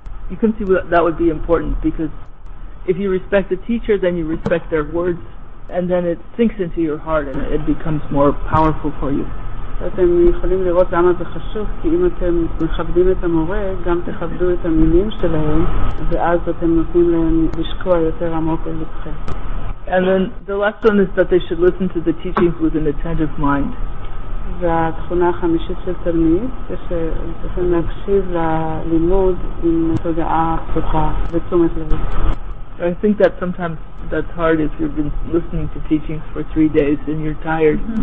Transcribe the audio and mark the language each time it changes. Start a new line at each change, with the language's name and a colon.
English: You can see that would be important, because if you respect the teacher, then you respect their words, and then it sinks into your heart and it becomes more powerful for you.
Hebrew: אתם יכולים לראות למה זה חשוב, כי אם אתם מכבדים את המורה, גם תכבדו את המילים שלהם, ואז אתם נותנים להם לשקוע יותר עמוק אל לבכם.
English: And then the last one is that they should listen to the teachings with an attentive mind.
Hebrew: והתכונה החמישית של תלמיד, שצריכים להקשיב ללימוד עם תודעה פתוחה ותשומת לב.
English: I think that sometimes that's hard if you've been listening to teachings for 3 days and you're tired.